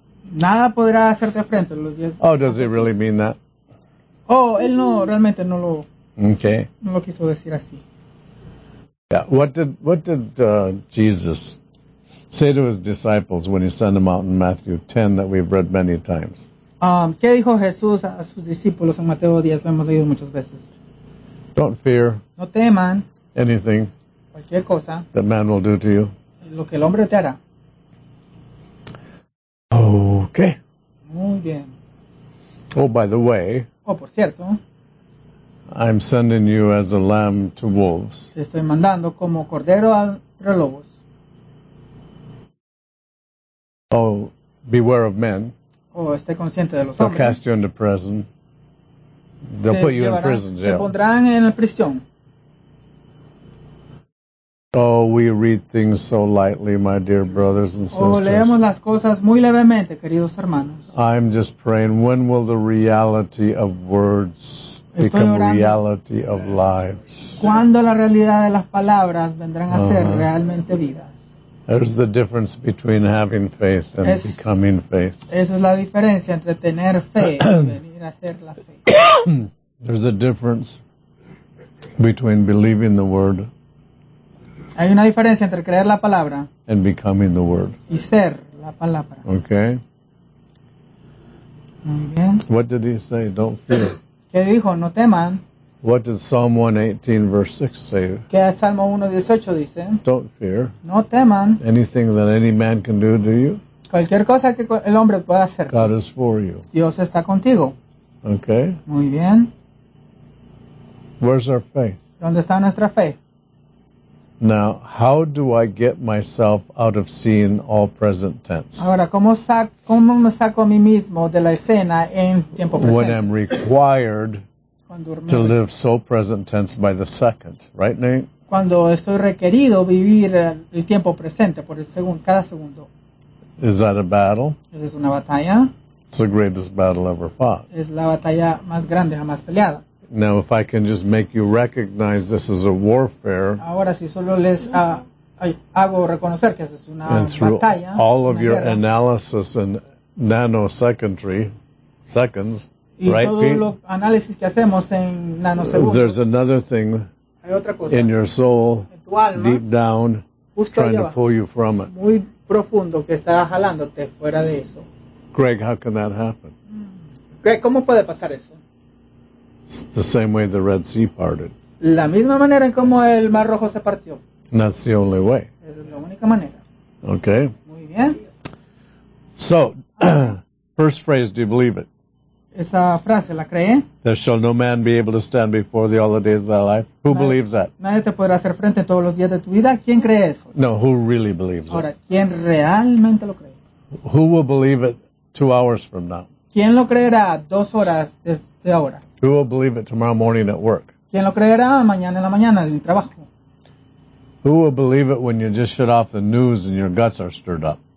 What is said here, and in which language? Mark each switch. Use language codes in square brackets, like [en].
[es] Nada podrá hacerte frente los días. [en] Oh, does he really mean that? [es] Oh, él no, realmente no lo. [en] Okay. [es] No lo quiso decir así. [en] Yeah. What did Jesus say to his disciples when he sent them out in Matthew 10 that we've read many times? [es] ¿Qué dijo Jesús a sus discípulos en Mateo 10? Lo hemos leído muchas veces. [en] Don't fear. [es] No teman. [en] Anything. [es] Cualquier cosa. [en] That man will do to you. [es] Lo que el hombre te hará. [en] Okay. [es] Muy bien. [en] Oh, by the way. [es] Oh, por cierto. [en] I'm sending you as a lamb to wolves. [es] Te estoy mandando como cordero a los lobos. [en] Oh, beware of men. [es] Oh, esté consciente de los hombres. [en] They'll cast you into prison. They'll put you in prison jail. [es] Te pondrán en la prisión. [en] Oh, we read things so lightly, my dear brothers and sisters. [es] Oh, leemos las cosas muy levemente, queridos hermanos. [en] I'm just praying, when will the reality of words become reality of lives? [es] ¿Cuándo la realidad de las palabras vendrán a ser realmente vidas? [en] There's the difference between having faith and becoming faith. [es] Esa es la diferencia entre tener fe y venir a ser la fe. [en] There's a difference between believing the word. [es] Hay una diferencia entre creer la palabra [en] and becoming the word. [es] Y ser la palabra. [en] Okay. [es] Muy bien. [en] What did he say? Don't fear. [es] ¿Qué dijo? No teman. [en] What did Psalm 118 verse 6 say? [es] ¿Qué Salmo 118 dice? [en] Don't fear. [es] No teman. [en] Anything that any man can do to you? [es] Cualquier cosa que el hombre pueda hacer. [en] God is for you. [es] Dios está contigo. [en] Okay. [es] Muy bien. [en] Where's our faith? [es] ¿Dónde está nuestra fe? [en] Now, how do I get myself out of seeing all present tense? [es] Ahora, ¿cómo me saco a mí mismo de la escena en tiempo presente? [en] When I'm required to live so present tense by the second, right, Nate? [es] Cuando estoy requerido vivir el tiempo presente por el segundo, cada segundo. [en] Is that a battle? [es] ¿Es una batalla? [en] It's the greatest battle ever fought. [es] Es la batalla más grande jamás peleada. [en] Now, if I can just make you recognize this as a warfare, [es] ahora, si solo les, hago reconocer que es una [en] and through [es] batalla, [en] all [es] una [en] of your [es] guerra, [en] analysis in nanosecondary seconds, [es] y [en] right, [es] todo [en] Pete? [es] Lo análisis que hacemos en nanosegundos, [en] there's another thing [es] hay otra cosa, [en] in your soul, [es] en tu alma, [en] deep down, [es] justo [en] trying [es] lleva, [en] to pull you from it. [es] Muy profundo que está jalándote fuera de eso. [en] Greg, how can that happen? [es] Greg, ¿cómo puede pasar eso? [en] It's the same way the Red Sea parted. [es] La misma manera en como el Mar Rojo se partió. [en] And that's the only way. [es] Es la única manera. [en] Okay. [es] Muy bien. [en] So, first phrase, do you believe it? [es] Esa frase, ¿la cree? [en] There shall no man be able to stand before thee all the days of thy life. Who [es] nadie, [en] believes that? [es] Nadie te podrá hacer frente todos los días de tu vida. ¿Quién cree eso? [en] No, who really believes [es] ahora, [en] it? [es] Ahora, ¿quién realmente lo cree? [en] Who will believe it 2 hours from now? [es] ¿Quién lo creerá 2 horas desde ahora? [en] Who will believe it tomorrow morning at work? [es] ¿Quién lo creerá mañana en la mañana en el trabajo? [en] Who will believe it when you just shut off the news and your guts are stirred up?